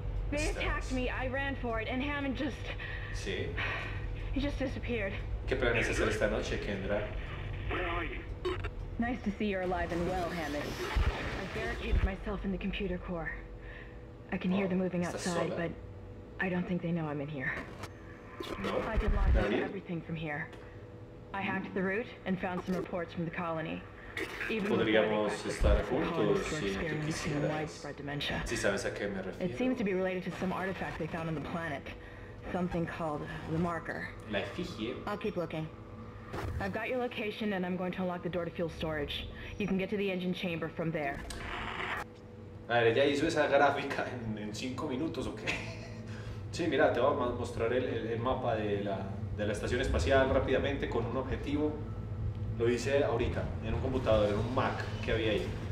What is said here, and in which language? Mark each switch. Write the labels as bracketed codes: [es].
[en] They attacked me, I ran for it, and Hammond just... [es] Sí. [en] He just disappeared. [es] ¿Qué planes hacer esta noche, Kendra? [en] Where are you? Nice to see you're alive and well, Hammond. I barricaded myself in the computer core. I can hear them moving outside, but I don't think they know I'm in here. No. I can lock down everything from here. I hacked the route and found some reports from the colony. [es] Podríamos estar juntos si tú quisieras. Si sabes a qué me refiero. [en] It seems to be related to some artifact they found on the planet, something called the marker. [es] La efigie. [en] I'll keep looking. I've got your location and I'm going to unlock the door to fuel storage. You can get to the engine chamber from there. [es] A ver, ¿ya hizo esa gráfica en 5 minutos o qué? Sí, mira, te voy a mostrar el mapa de la estación espacial rápidamente con un objetivo. Lo hice ahorita, en un computador, en un Mac que había ahí.